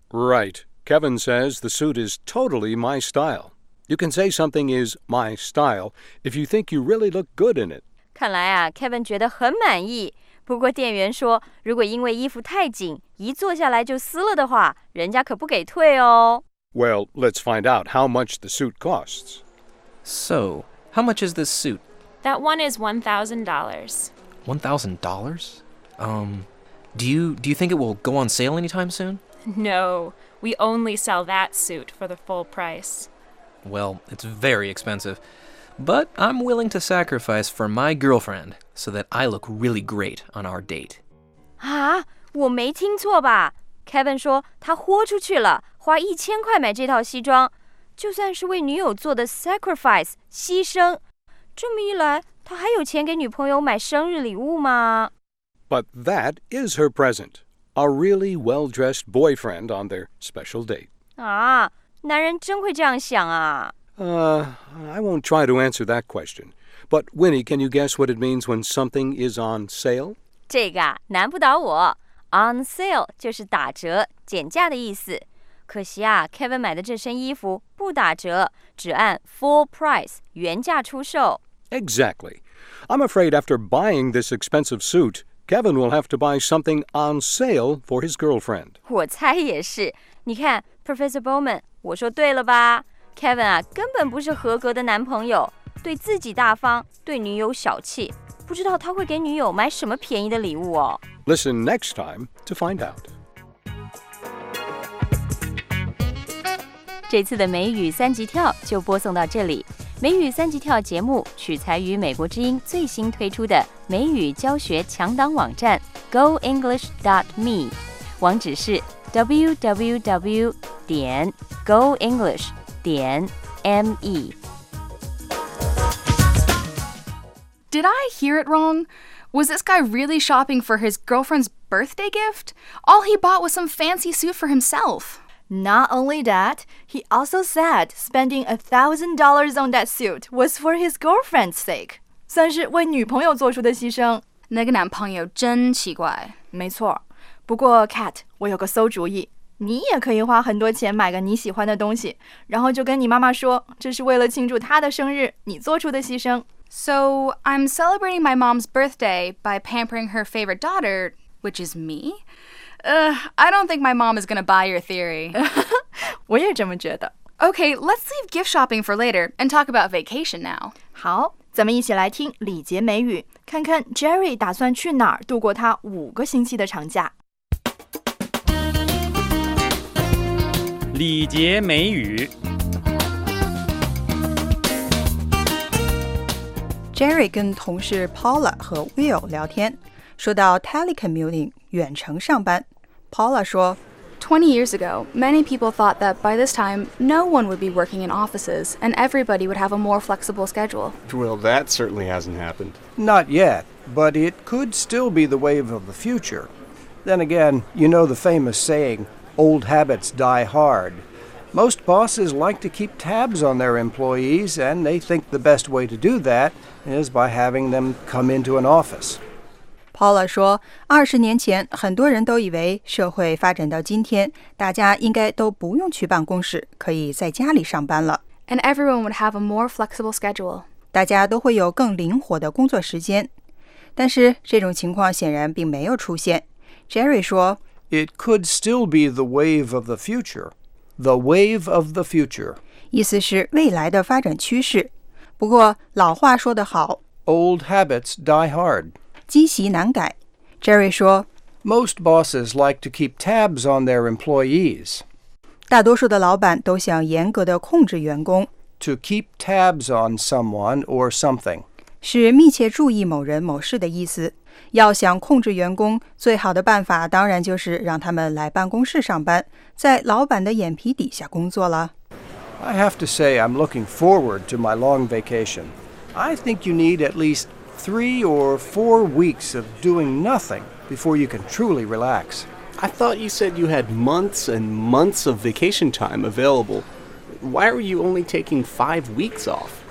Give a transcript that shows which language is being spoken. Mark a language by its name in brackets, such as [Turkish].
[English] Right. Kevin says the suit is totally my style. You can say something is my style if you think you really look good in it. [Chinese] 看来啊 ,Kevin 觉得很满意。不过店员说，如果因为衣服太紧，一坐下来就撕了的话，人家可不给退哦。 [English] Well, let's find out how much the suit costs. So, how much is this suit? That one is $1,000. $1,000? Do you think it will go on sale anytime soon? No, we only sell that suit for the full price. Well, it's very expensive. But I'm willing to sacrifice for my girlfriend so that I look really great on our date. [Chinese] 啊，我没听错吧？ Kevin 说他豁出去了，花1000块买这套西装，就算是为女友做的 sacrifice 牺牲。这么一来，他还有钱给女朋友买生日礼物吗？ [English] But that is her present, a really well-dressed boyfriend on their special date. [Chinese] 啊，男人真会这样想啊。 [English] I won't try to answer that question. But Winnie, can you guess what it means when something is on sale? [Chinese] 这个难不倒我。 On sale 就是打折、减价的意思。可惜啊 ，Kevin 买的这身衣服不打折，只按 full price 原价出售。 [English] Exactly. I'm afraid after buying this expensive suit, Kevin will have to buy something on sale for his girlfriend. [Chinese] 我猜也是。你看 ，Professor Bowman， 我说对了吧？Kevin 啊，根本不是合格的男朋友，对自己大方，对女友小气，不知道他会给女友买什么便宜的礼物哦。 [English] Listen next time to find out. [Chinese] 这次的美语三级跳就播送到这里。美语三级跳节目取材于美国之音最新推出的美语教学强档网站 goenglish.me， 网址是 www.goenglish.me. [English] Did I hear it wrong? Was this guy really shopping for his girlfriend's birthday gift? All he bought was some fancy suit for himself. Not only that, he also said spending $1,000 on that suit was for his girlfriend's sake. [Chinese] 算是为女朋友做出的牺牲。那个男朋友真奇怪。没错。不过 Kat, 我有个馊主意。你也可以花很多钱买个你喜欢的东西，然后就跟你妈妈说，这是为了庆祝她的生日，你做出的牺牲。 [English] So, I'm celebrating my mom's birthday by pampering her favorite daughter, which is me? I don't think my mom is going to buy your theory. [Chinese] 我也这么觉得。 [English] Okay, let's leave gift shopping for later and talk about vacation now. [Chinese] 好，咱们一起来听礼节美语，看看 Jerry 打算去哪儿度过他5个星期的长假。礼节美语。 Jerry 跟同事 Paula 和 Will 聊天，说到 telecommuting 远程上班。 Paula 说 [English] ，20 years ago, many people thought that by this time, no one would be working in offices, and everybody would have a more flexible schedule. Well, that certainly hasn't happened. Not yet, but it could still be the wave of the future. Then again, you know the famous saying. Old habits die hard. Most bosses like to keep tabs on their employees, and they think the best way to do that is by having them come into an office. [Chinese] Paula 说，20年前很多人都以为社会发展到今天，大家应该都不用去办公室，可以在家里上班了。 [English] And everyone would have a more flexible schedule. [Chinese] 大家都会有更灵活的工作时间。但是这种情况显然并没有出现。 Jerry 说， [English] It could still be the wave of the future. The wave of the future. [Chinese] 意思是未来的发展趋势。不过老话说得好。 [English] Old habits die hard. [Chinese] 积习难改。Jerry 说 [English] Most bosses like to keep tabs on their employees. [Chinese] 大多数的老板都想严格地控制员工。 [English] To keep tabs on someone or something. [Chinese] 是密切注意某人某事的意思。要想控制员工，最好的办法当然就是让他们来办公室上班，在老板的眼皮底下工作了。 [English] I have to say I'm looking forward to my long vacation. I think you need at least 3 or 4 weeks of doing nothing before you can truly relax. I thought you said you had months and months of vacation time available. Why are you only taking 5 weeks off?